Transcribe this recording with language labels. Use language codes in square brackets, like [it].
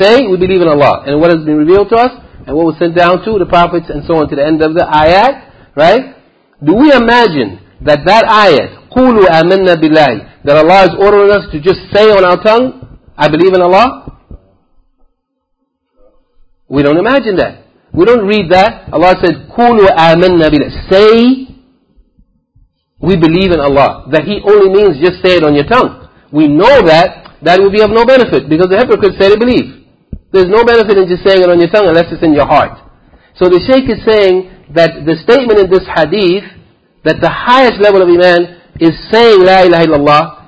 [en] Say, we believe in Allah. And what has been revealed to us, and what was sent down to the prophets and so on to the end of the ayat, right? Do we imagine that that ayat, [ar] قُولُوا آمَنَّا بِاللَّهِ, [en] that Allah is ordering us to just say on our tongue, I believe in Allah? We don't imagine that. We don't read that. Allah said, [ar] قُولُوا آمَنَّا بِاللَّهِ. [en] Say, we believe in Allah. That He only means just say it on your tongue. We know that, that would be of no benefit, because the hypocrites say they believe. There's no benefit in just saying it on your tongue unless it's in your heart. So the Shaykh is saying that the statement in this hadith, that the highest level of iman is saying La ilaha illallah.